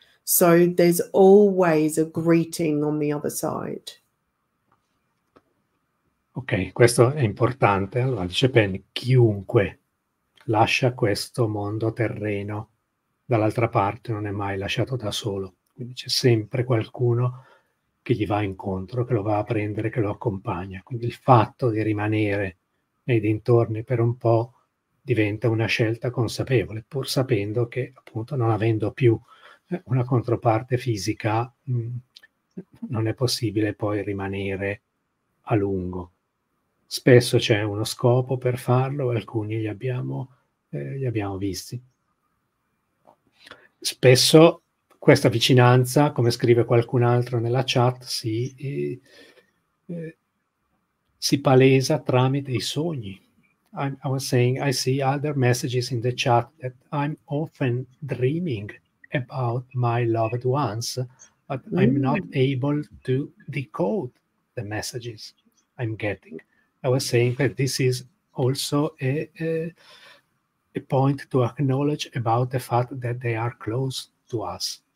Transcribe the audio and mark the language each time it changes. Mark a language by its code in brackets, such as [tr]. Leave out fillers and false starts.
[en] So there's always a greeting on the other side. [it] Ok, questo è importante. Allora, dice Penny, chiunque lascia questo mondo terreno dall'altra parte non è mai lasciato da solo. Quindi c'è sempre qualcuno che gli va incontro, che lo va a prendere, che lo accompagna. Quindi il fatto di rimanere nei dintorni per un po' diventa una scelta consapevole, pur sapendo che, appunto, non avendo più una controparte fisica, non è possibile poi rimanere a lungo. Spesso c'è uno scopo per farlo, alcuni li abbiamo visti. Spesso questa vicinanza, come scrive qualcun altro nella chat, si palesa tramite i sogni. [en] I was saying, I see other messages in the chat that I'm often dreaming about my loved ones, but I'm not able to decode the messages I'm getting. I was saying that this is also a point to acknowledge about the fact that they are close to us.